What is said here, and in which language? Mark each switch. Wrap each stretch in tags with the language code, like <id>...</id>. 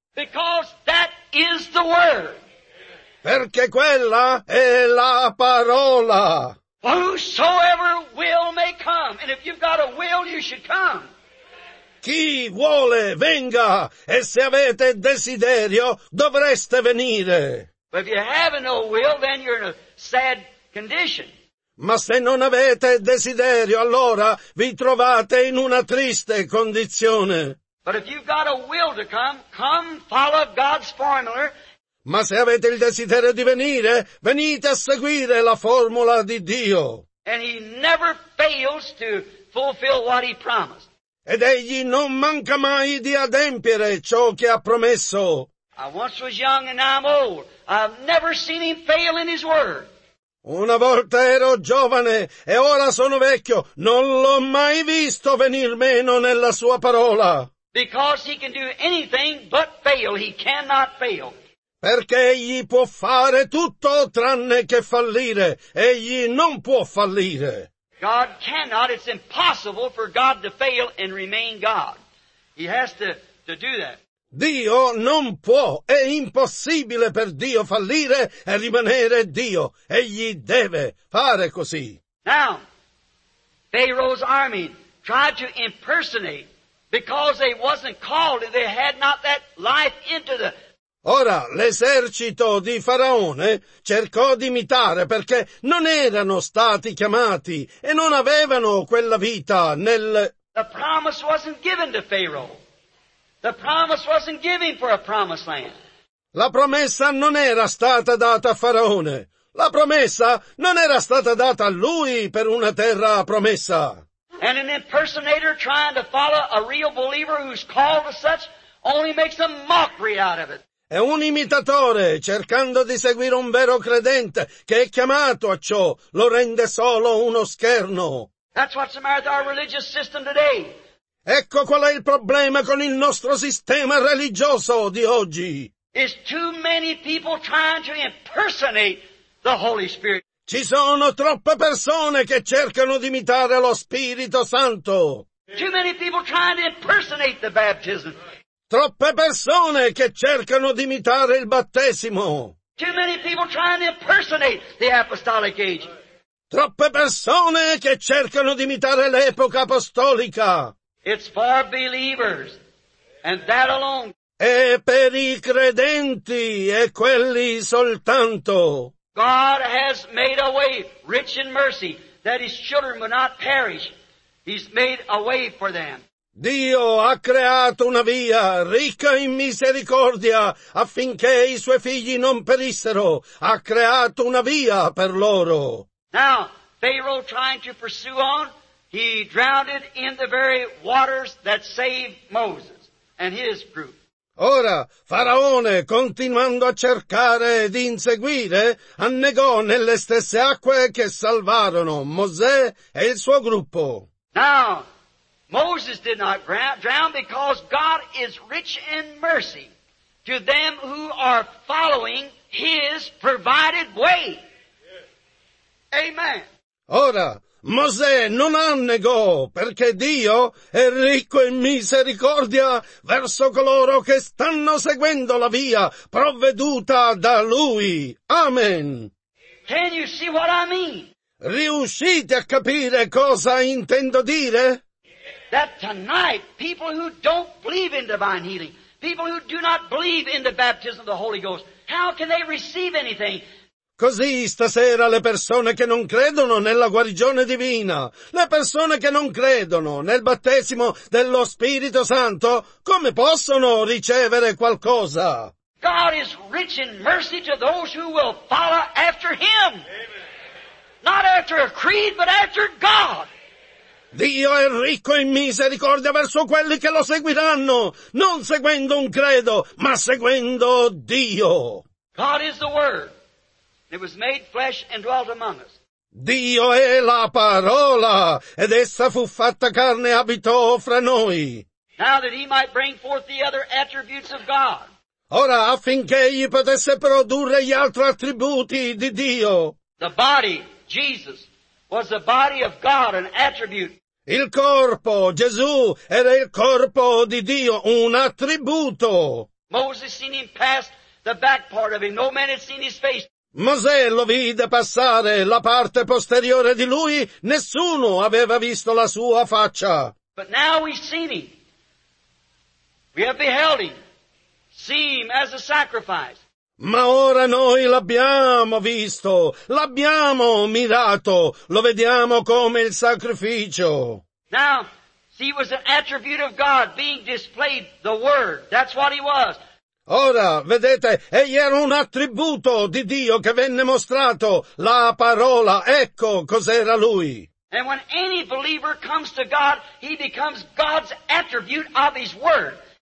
<en>Because that is the word.</en> <it>Perché quella è la parola.</it> <en>Whosoever will may come, and if you've got a will, you should come.</en> <it>Chi vuole venga, e se avete desiderio dovreste venire.</it> <en>But if you have no will, then you're in a sad condition.</en> <it>Ma se non avete desiderio, allora vi trovate in una triste condizione.</it> <en>But if you've got a will to come, come follow God's formula.</en> <it>Ma se avete il desiderio di venire, venite a seguire la formula di Dio.</it> <en>And he never fails to fulfill what he promised.</en> <it>Ed egli non manca mai di adempiere ciò che ha promesso.</it> <en>I once was young and now I'm old. I've never seen him fail in his word.</en> <it>Una volta ero giovane e ora sono vecchio. Non l'ho mai visto venir meno nella sua parola.</it> <en>Because he can do anything but fail. He cannot fail.</en> <it>Perché egli può fare tutto tranne che fallire. Egli non può fallire.</it> <en>God cannot, it's impossible for God to fail and remain God. He has to do that.</en> <it>Dio non può, è impossibile per Dio fallire e rimanere Dio. Egli deve fare così.</it> <en>Now, Pharaoh's army tried to impersonate because they wasn't called and they had not that life into the...</en> <it>Ora, l'esercito di Faraone cercò di imitare perché non erano stati chiamati e non avevano quella vita nel...</it> <en>The promise wasn't given to Pharaoh. The promise wasn't given for a promised land.</en> <it>La promessa non era stata data a Faraone. La promessa non era stata data a lui per una terra promessa.</it> <en>And an impersonator trying to follow a real believer who's called as such only makes a mockery out of it.</en> <it>È un imitatore cercando di seguire un vero credente che è chiamato a ciò, lo rende solo uno scherno.</it> <en>That's what's the matter with our religious system today.</en> <it>Ecco qual è il problema con il nostro sistema religioso di oggi.</it> <en>It's too many people trying to impersonate the Holy Spirit.</en> <it>Ci sono troppe persone che cercano di imitare lo Spirito Santo.</it> <en>Too many people trying to impersonate the baptism.</en> <it>Troppe persone che cercano di imitare il battesimo.</it> <en>Too many people trying to impersonate the apostolic age.</en> <it>Troppe persone che cercano di imitare l'epoca apostolica.</it> <en>It's for believers, and that alone.</en> <it>È per i credenti e quelli soltanto.</it> <en>God has made a way, rich in mercy, that his children will not perish. He's made a way for them.</en> <it>Dio ha creato una via ricca in misericordia affinché i suoi figli non perissero. Ha creato una via per loro.</it> <en>Now, Pharaoh trying to pursue on, he drowned in the very waters that saved Moses and his group.</en> <it>Ora, Faraone, continuando a cercare di inseguire, annegò nelle stesse acque che salvarono Mosè e il suo gruppo.</it> <en>Now, Moses did not drown because God is rich in mercy to them who are following his provided way. Amen.</en> <it>Ora, Mosè non annegò perché Dio è ricco in misericordia verso coloro che stanno seguendo la via provveduta da lui. Amen.</it> <en>Can you see what I mean?</en> <it>Riuscite a capire cosa intendo dire?</it> <en>That tonight, people who don't believe in divine healing, people who do not believe in the baptism of the Holy Ghost, how can they receive anything?</en> <it>Così stasera le persone che non credono nella guarigione divina, le persone che non credono nel battesimo dello Spirito Santo, come possono ricevere qualcosa?</it> <en>God is rich in mercy to those who will follow after Him. Not after a creed, but after God.</en> <it>Dio è ricco in misericordia verso quelli che lo seguiranno, non seguendo un credo, ma seguendo Dio.</it> <en>God is the Word. It was made flesh and dwelt among us.</en> <it>Dio è la parola, ed essa fu fatta carne e abitò fra noi.</it> <en>Now that He might bring forth the other attributes of God.</en> <it>Ora, affinché egli potesse produrre gli altri attributi di Dio.</it> <en>The body, Jesus, was the body of God, an attribute.</en> <it>Il corpo, Gesù, era il corpo di Dio, un attributo.</it> <en>Moses seen him pass the back part of him. No man had seen his face.</en> <it>Mosè lo vide passare la parte posteriore di lui. Nessuno aveva visto la sua faccia.</it> <en>But now we see him. We have beheld him. Seem as a sacrifice.</en> <it>Ma ora noi l'abbiamo visto, l'abbiamo mirato, lo vediamo come il sacrificio.</it> <en>Now, see, was an attribute of God being displayed, the Word. That's what He was.</en> <it>Ora, vedete, egli era un attributo di Dio che venne mostrato, la parola, ecco cos'era Lui.</it> <en>And when any believer comes to God, he becomes God's attribute of His Word.</en>